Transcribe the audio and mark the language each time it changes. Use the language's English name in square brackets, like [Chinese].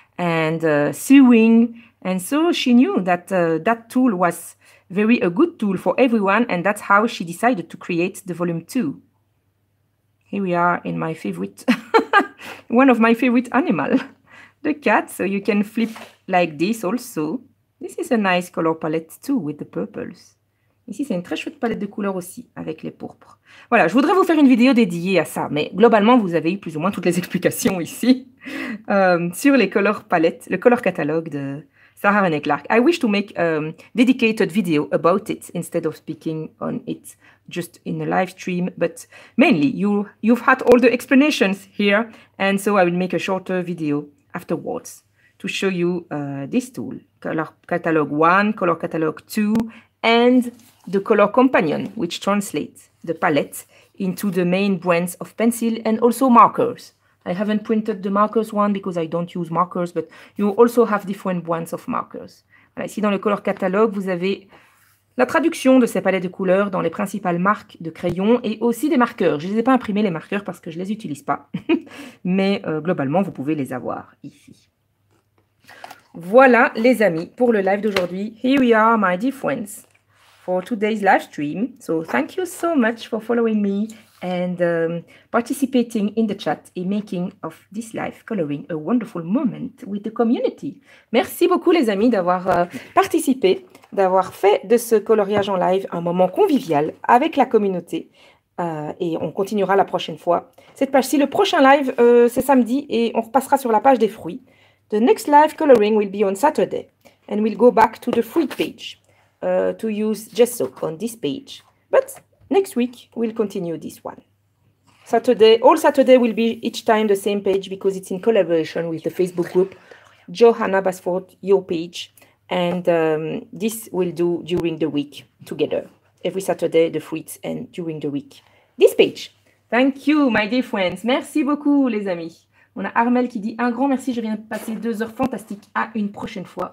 [English] and sewing. And so she knew that that tool was very a good tool for everyone, and that's how she decided to create the volume 2. Here we are in my favorite, one of my favorite animal, the cat. So you can flip like this also. This is a nice color palette too with the purples. [French] Ici, c'est une très chouette palette de couleurs aussi, avec les pourpres. Voilà, je voudrais vous faire une vidéo dédiée à ça, mais globalement, vous avez eu plus ou moins toutes les explications ici sur les color palettes, le color catalogue de Sarah Renee Clark. [English] I wish to make a dedicated video about it instead of speaking on it just in a live stream, but mainly, you've had all the explanations here, and so I will make a shorter video afterwards to show you this tool. Color catalogue 1, color catalogue 2, and the color companion, which translates the palette into the main brands of pencil and also markers. I haven't printed the markers one because I don't use markers, but you also have different brands of markers. [French] Voilà, ici dans le color catalogue, vous avez la traduction de ces palettes de couleurs dans les principales marques de crayons et aussi des marqueurs. Je ne les ai pas imprimés les marqueurs parce que je ne les utilise pas, mais globalement, vous pouvez les avoir ici. Voilà les amis pour le live d'aujourd'hui. [English] Here we are, my dear friends, for today's live stream. So thank you so much for following me and participating in the chat in making of this live coloring a wonderful moment with the community. [French] Merci beaucoup les amis d'avoir participé, d'avoir fait de ce coloriage en live un moment convivial avec la communauté. Et on continuera la prochaine fois cette page-ci. Le prochain live, c'est samedi et on repassera sur la page des fruits. [English] The next live coloring will be on Saturday, and we'll go back to the free page to use gesso on this page. But next week, we'll continue this one. Saturday, all Saturday will be each time the same page because it's in collaboration with the Facebook group, Johanna Basford, your page. And this we'll do during the week together. Every Saturday, the fruits, and during the week, this page. Thank you, my dear friends. [French] Merci beaucoup, les amis. On a Armel qui dit un grand merci, je viens de passer 2 heures fantastiques, à une prochaine fois.